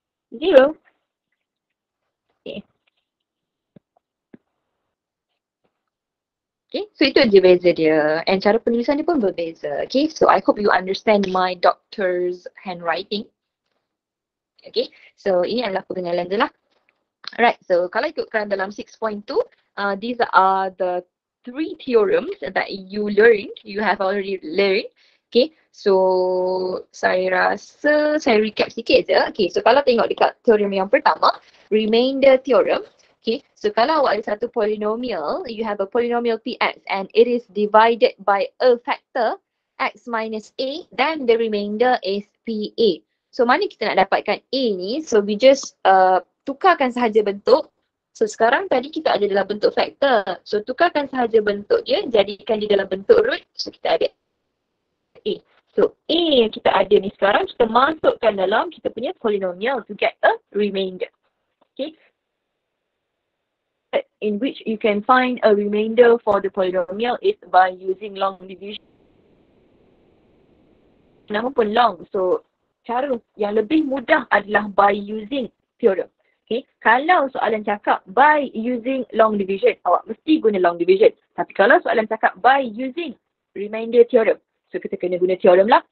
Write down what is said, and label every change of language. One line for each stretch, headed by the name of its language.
English: Zero. Okay.
Malay: Okay, so itu aja beza dia. And cara penulisan dia pun berbeza.
English: Okay, so I hope you understand my doctor's handwriting.
Malay: Okay, so ini adalah pengenalan dia lah.
English: Alright, so
Malay: kalau ikutkan dalam
English: 6.2, these are the three theorems that you learned, you have already learned.
Malay: Okay, so saya rasa saya recap sikit je. Okay, so kalau tengok dekat theorem yang pertama, remainder theorem.
English: Okay, so
Malay: kalau awak ada satu polynomial,
English: you have a polynomial Px and it is divided by a factor x minus a, then the remainder is Pa.
Malay: So mana kita nak dapatkan a ni? So we just tukarkan sahaja bentuk. So sekarang tadi kita ada dalam bentuk factor. So tukarkan sahaja bentuk dia, jadikan dia dalam bentuk root. So kita ada a. So a yang kita ada ni sekarang kita masukkan dalam kita punya polynomial
English: to get a remainder.
Malay: Okay.
English: In which you can find a remainder for the polynomial is by using long division.
Malay: Nama pun long. So cara yang lebih mudah adalah
English: by using theorem.
Malay: Okay. Kalau soalan cakap by using long division, awak mesti guna long division. Tapi kalau soalan cakap by using remainder theorem, so kita kena guna theorem lah.